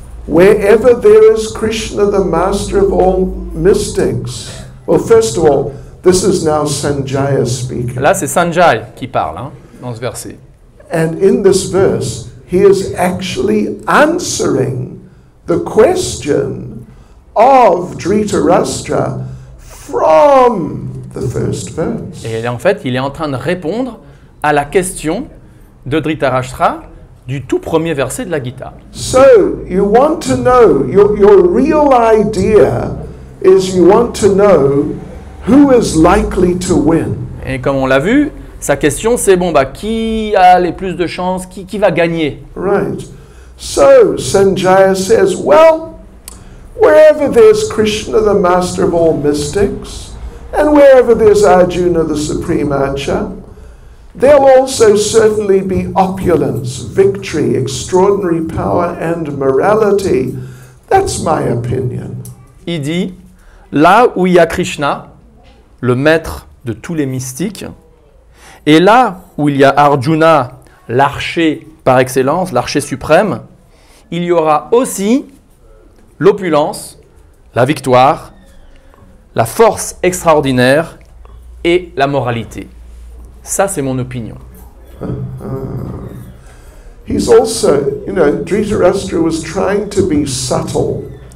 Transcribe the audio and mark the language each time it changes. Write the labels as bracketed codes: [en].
[en] Wherever there is Krishna, the master of all mystics. Well, first of all, this is now Sanjaya speaking. [fr] Là, c'est Sanjay qui parle, hein, dans ce verset. [en] And in this verse, he is actually answering the question of Dhritarashtra from the first verse. [fr] Et en fait, il est en train de répondre à la question de Dhritarashtra du tout premier verset de la Gita. [en] So, you want to know, your real idea is you want to know who is likely to win. [fr] Et comme on l'a vu, sa question c'est bon, qui a les plus de chances, qui va gagner? [en] Right. So, Sanjaya says, well, wherever there's Krishna, the master of all mystics, and wherever there's Arjuna, the supreme archer, there will also certainly be opulence, victory, extraordinary power and morality. That's my opinion. [fr] Il dit, là où il y a Krishna, le maître de tous les mystiques, et là où il y a Arjuna, l'archer par excellence, l'archer suprême, il y aura aussi l'opulence, la victoire, la force extraordinaire et la moralité. Ça, c'est mon opinion. [en] He's also, you know, Dhritarashtra was trying to be subtle.